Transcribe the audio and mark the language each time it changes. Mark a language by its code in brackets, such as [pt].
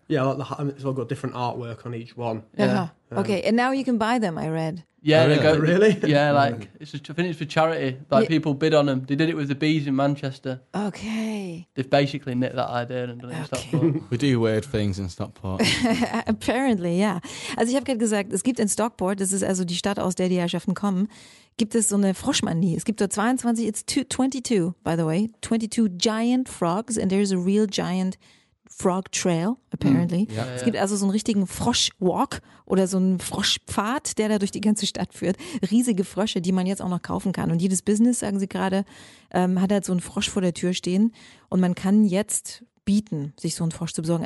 [en] Yeah, like the, it's all got different artwork on each one. Yeah. Okay, and now you can buy them. I read. Yeah, really? Yeah, like it's for charity. Like people bid on them. They did it with the bees in Manchester. Okay. They've basically knit that idea and done it in Stockport. We do weird things in Stockport. Apparently, yeah. [de] Also ich habe gerade gesagt, es gibt in Stockport, das ist also die Stadt, aus der die Herrschaften kommen, gibt es so eine Froschmanie. Es gibt dort 22, [en] by the way, 22 giant frogs, and there is a real giant Frog Trail, apparently. Mm. Yeah. [de] Es gibt also so einen richtigen Froschwalk oder so einen Froschpfad, der da durch die ganze Stadt führt. Riesige Frösche, die man jetzt auch noch kaufen kann. Und jedes Business, sagen sie gerade, hat halt so einen Frosch vor der Tür stehen. Und man kann jetzt bieten, sich so einen Frosch zu besorgen.